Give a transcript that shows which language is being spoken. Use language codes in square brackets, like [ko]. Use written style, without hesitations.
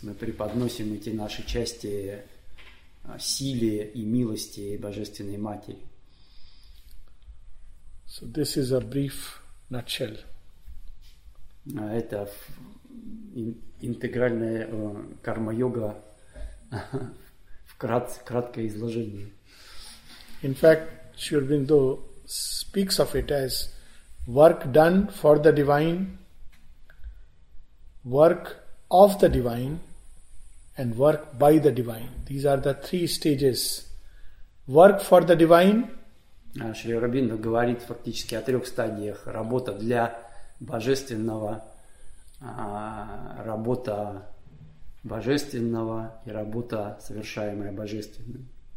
[ru] Мы преподносим эти наши части силе и милости Божественной Матери. [en] So this is a brief nutshell. [ru] Это интегральная карма-йога в краткое изложение. [en] In fact, Sri Aurobindo speaks of it as work done for the divine, work of the divine, and work by the divine. These are the three stages. Work for the divine. [ru] Шри Аурабиндо говорит фактически о трех стадиях: работа для божественного, работа божественного и работа, совершаемая божественным.